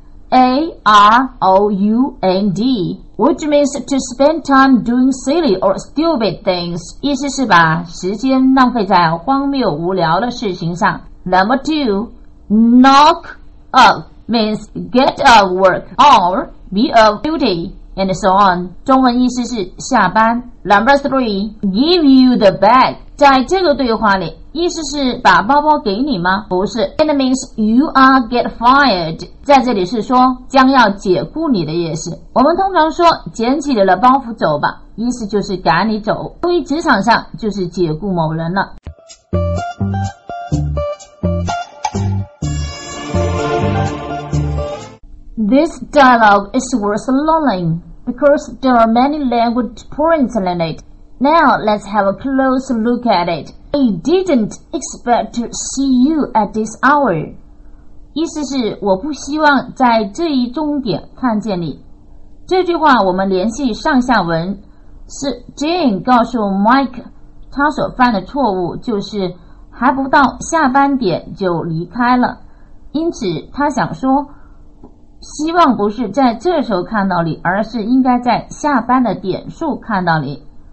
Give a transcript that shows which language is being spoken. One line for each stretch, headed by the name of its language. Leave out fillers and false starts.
English: G-O-O-F-A-R-O-U-N-D. Which means to spend time doing silly or stupid things.
Chinese: 意思是把时间浪费在荒谬无聊的事情上。
English: Number two, knock up means get out of work or be of duty. And so on.
Chinese: 中文意思是下班。
English: Number three, give you the bag.
Chinese: 在这个对话里，意思是把包包给你吗？不是。
English: It means you are get fired.
Chinese: 在这里是说将要解雇你的意思。我们通常说捡起了包袱走吧，意思就是赶你走。用于职场上就是解雇某人了。
English: This dialogue is worth learning. Because there are many language points in it. Now let's have a close look at it. I didn't expect to see you at this hour.
Chinese: 意思是我不希望在这一钟点看见你。这句话我们联系上下文，是 Jane 告诉 Mike 他所犯的错误就是还不到下班点就离开了，因此他想说希望不是在这时候看到你，而是应该在下班的点数看到你。